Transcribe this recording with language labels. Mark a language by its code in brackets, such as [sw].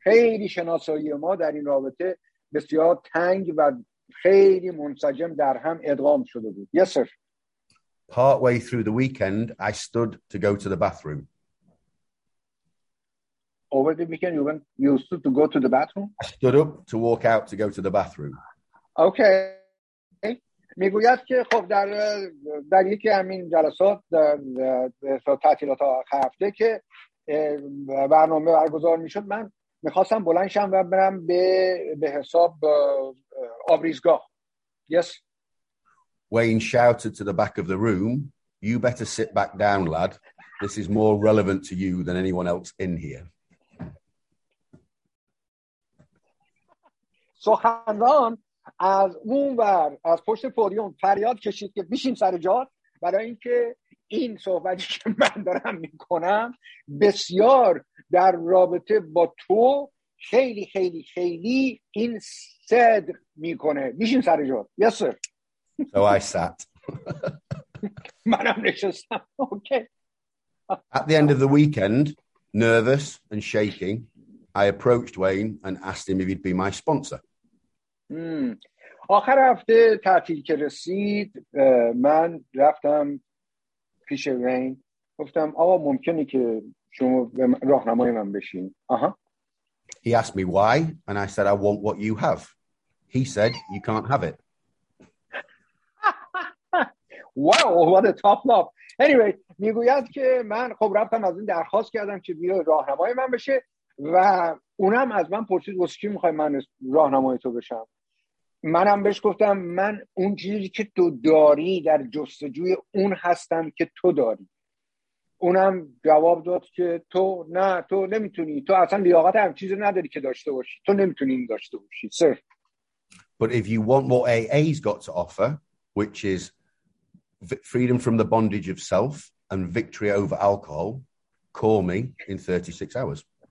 [fa] خیلی شناسایی ما در این رابطه بسیار تنگ و خیلی منسجم در هم ادغام شده بود. [en] Yes, sir. Partway through the weekend, I stood to go to the bathroom. Over the weekend, you stood to go to the bathroom? I stood up to walk out to go to the bathroom. Okay. [fa] میگوید که خب در یکی همین جلسات در تعطیلات آخر هفته که برنامه برگزار میشد من میخواستم بلند شم و برم به حساب آبریزگاه. [en] Yes. Wayne shouted to the back of the room, "You better sit back down, lad. This is more relevant to you than anyone else in here." [fa] سخنران از اون ور از پشت پودیوم فریاد کشید که بشین سر جات برای اینکه این صحبتی که من دارم میکنم بسیار در رابطه با تو خیلی خیلی خیلی این صدق میکنه. میشین سر جا. [en] Yes, sir. So I sat. [fa] منم نشستم. [en] Okay. At the end of the weekend, nervous and shaking, I approached Wayne and asked him if he'd be my sponsor. [fa] آخر هفته تعطیل که رسید من رفتم پیش وین گفتم آقا ممکنه که شما راهنمای من بشین. [en] He asked me why and I said I want what you have. He said you can't have it. Wow, what a top knob. [fa] Anyway, میگوید که من خب رفتم از این درخواست کردم که بیاد راهنمای من بشه و اونم از من پرسید واسه چی میخوای من راهنمای تو بشم. منم بهش گفتم من اون چیزی که تو داری در جستجوی اون هستم که تو داری. اونم جواب داد که تو نه تو نمیتونی تو اصلا لیاقت هم چیزی نداری که داشته باشی تو نمیتونی این داشته باشی. [en] صرف. But if you want what AA's got to offer, which is freedom from the bondage of self and victory over alcohol, call me in 36 hours.